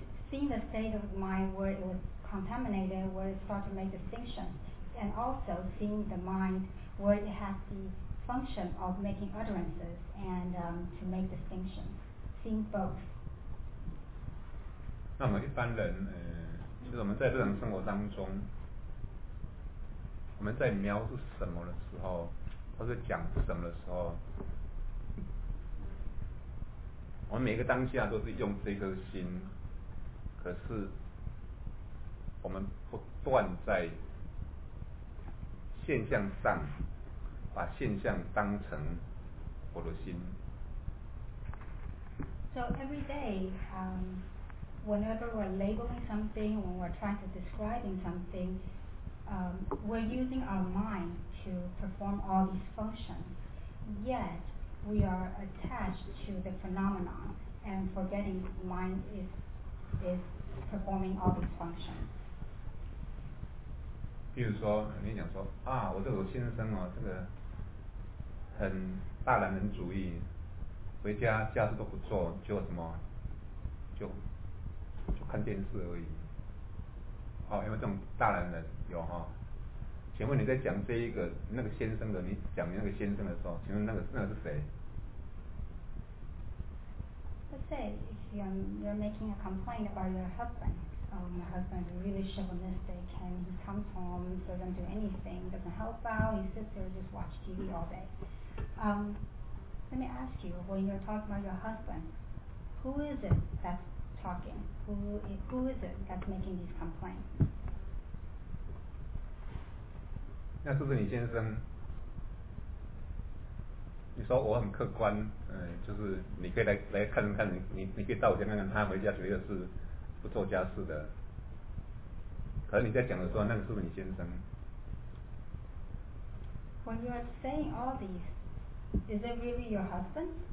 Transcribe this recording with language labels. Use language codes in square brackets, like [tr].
[en] Seeing the state of the mind where it was contaminated, where it started to make distinctions, and also seeing the mind where it has the function of making utterances and to make distinctions. Seeing both. [zh] 那我们一般人，就是我们在日常生活当中，我们在描述什么的时候，或者讲什么的时候，我们每个当下都是用这颗心，可是我们不断在现象上把现象当成我的心。 [en] So every day, whenever we're labeling something, when we're trying to describe something, we're using our mind to perform all these functions. Yet, we are attached to the phenomenon and forgetting mind is performing all these functions. [zh] 比如说，你讲说啊，我这个先生哦，这个很大男人主义，回家家事都不做，就什么就。就看电视而已，哦，有没有这种大男人？有哈、哦，请问你在讲这一个那个先生的，你讲那个先生的时候，请问那个是谁？ [en] Let's say if you're making a complaint about your husband, my husband is really chauvinistic and he comes home, doesn't do anything, doesn't help out, he sits there just watch TV all day. Let me ask you, when you're talking about your husband, who is it that's talking? Who is it that's making these complaints? [zh] 那是不是你先生？你说我很客观，就是你可以来看看，你可以到我家看看，他回家绝对是不做家事的。可是你在讲的时候，那个是不是你先生 [en] ？When you are saying all these, is it really your husband?